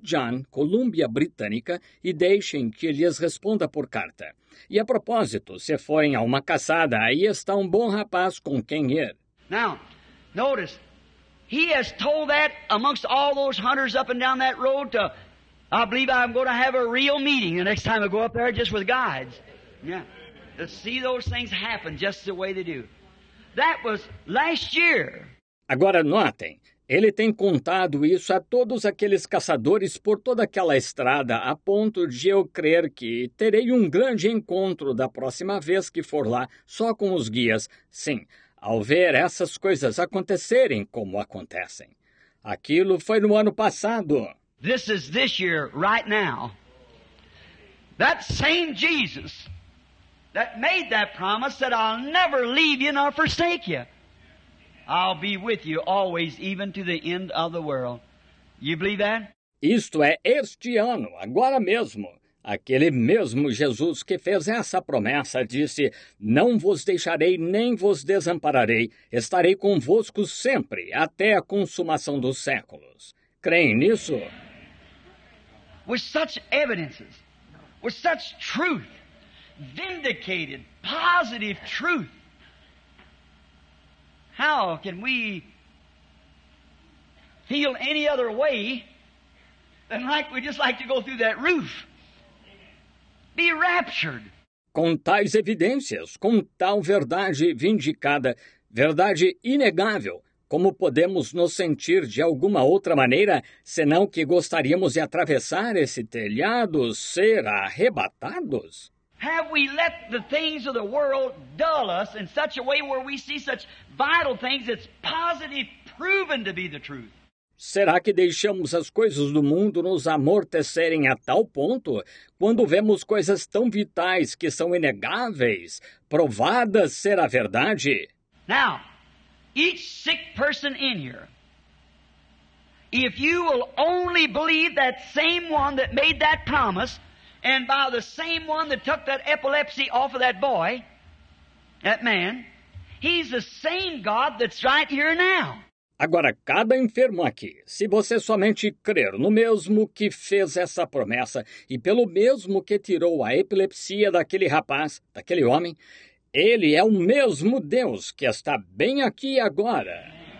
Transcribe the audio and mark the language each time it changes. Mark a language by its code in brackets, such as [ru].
[pt] John, Colúmbia Britânica, e deixem que lhes responda por carta. E a propósito, se forem a uma caçada, aí está um bom rapaz com quem ir. [en] Now, notice, he has told that amongst all those hunters up and down that road to, I believe I'm going to have a real meeting the next time I go up there just with guides. Yeah. To see those things happen just the way they do. That was last year. [pt] Agora notem, ele tem contado isso a todos aqueles caçadores por toda aquela estrada a ponto de eu crer que terei um grande encontro da próxima vez que for lá só com os guias. Sim, ao ver essas coisas acontecerem como acontecem. Aquilo foi no ano passado. [en] This is this year, right now. That same Jesus that made that promise that I'll never leave you nor forsake you. I'll be with you always, even to the end of the world. You believe that? [pt] Isto é este ano, agora mesmo. Aquele mesmo Jesus que fez essa promessa disse, não vos deixarei nem vos desampararei, estarei convosco sempre, até a consumação dos séculos. Creem nisso? [en] With such evidences, with such truth, vindicated, positive truth, how can we feel any other way than like we just like to go through that roof? Be raptured. [pt] Com tais evidências, com tal verdade vindicada, verdade inegável, como podemos nos sentir de alguma outra maneira, senão que gostaríamos de atravessar esse telhado, ser arrebatados? [en] Have we let the things of the world dull us in such a way where we see such vital things that's positive proven to be the truth? [pt] Será que deixamos as coisas do mundo nos amortecerem a tal ponto quando vemos coisas tão vitais que são inegáveis, provadas ser a verdade? [en] Now, each sick person in here, if you will only believe that same one that made that promise, and by the same one that took that epilepsy off of that boy, that man, he's the same God that's right here now. [pt] Agora, cada enfermo aqui, se você somente crer no mesmo que fez essa promessa e pelo mesmo que tirou a epilepsia daquele rapaz, daquele homem, ele é o mesmo Deus que está bem aqui agora.